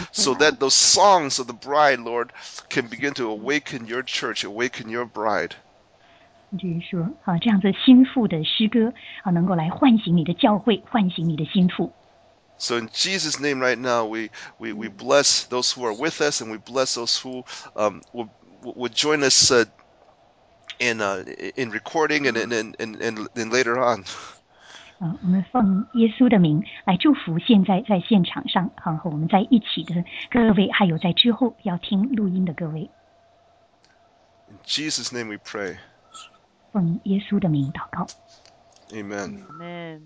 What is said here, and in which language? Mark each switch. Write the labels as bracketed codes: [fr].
[en] So that those songs of the bride, Lord, can begin to awaken your church, awaken your bride. [zh] 就是说，这样子心腹的诗歌能够来唤醒你的教会，唤醒你的心腹。 [en] So in Jesus' name, right now, we bless those who are with us, and we bless those who will join us in recording and later on. [zh] 我们奉耶稣的名来祝福现在在现场上和我们在一起的各位，还有在之后要听录音的各位。 [en] In Jesus' name, we pray. [zh] 奉耶稣的名祷告。 [en] Amen. Amen.